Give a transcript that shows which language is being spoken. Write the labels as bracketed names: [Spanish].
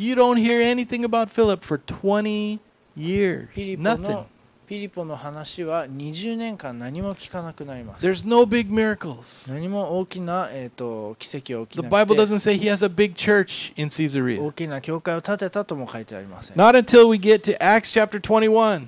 [English] You don't hear anything about Philip for 20 years. Nothing. [Japanese] フィリポの話は20年間何も聞かなくなります。 [English] There's no big miracles. [Japanese] 何も大きな、奇跡は起きなくて。 [English] The Bible doesn't say he has a big church in Caesarea. [Japanese] 大きな教会を建てたとも書いてありません。 [English] Not until we get to Acts chapter 21.